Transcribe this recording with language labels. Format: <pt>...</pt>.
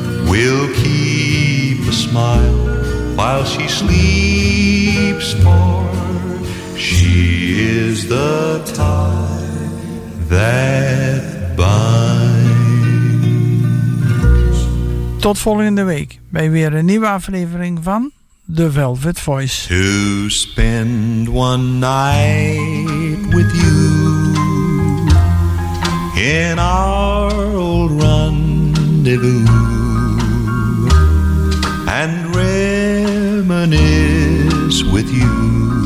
<en>We'll keep a smile while she sleeps, for she is the tie that binds.</en> <nl>Tot volgende week bij weer een nieuwe aflevering van The Velvet Voice.</nl> <en>To spend one night with you in our old rendezvous, and reminisce with you.</en>